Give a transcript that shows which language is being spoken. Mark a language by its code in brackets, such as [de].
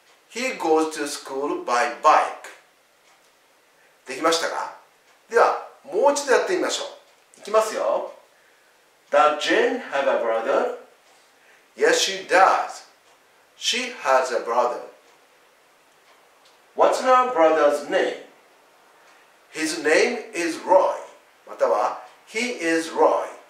[en] He goes to school by bike. [ja] できましたか？では、もう一度やってみましょう。いきますよ。 [en] Does Jane have a brother? Yes, she does. She has a brother. What's her brother's name? His name is Roy. [ja] または、 [en] He is Roy.